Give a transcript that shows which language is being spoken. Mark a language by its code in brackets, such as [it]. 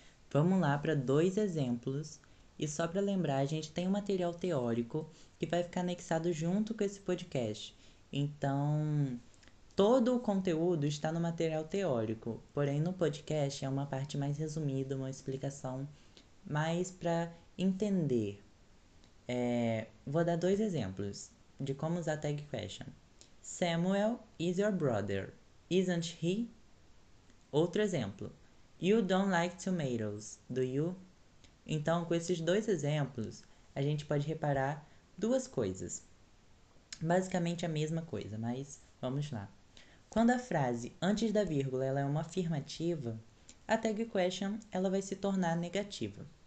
[pt] Vamos lá para dois exemplos. E só para lembrar, a gente tem um material teórico que vai ficar anexado junto com esse podcast. Então, todo o conteúdo está no material teórico, porém no podcast é uma parte mais resumida, uma explicação mais para entender. Vou dar dois exemplos de como usar tag question. [en] Samuel is your brother, isn't he? [pt] Outro exemplo. [en] You don't like tomatoes, do you? [pt] Então, com esses dois exemplos, a gente pode reparar duas coisas. Basicamente a mesma coisa, mas vamos lá. Quando a frase antes da vírgula ela é uma afirmativa, a tag question ela vai se tornar negativa.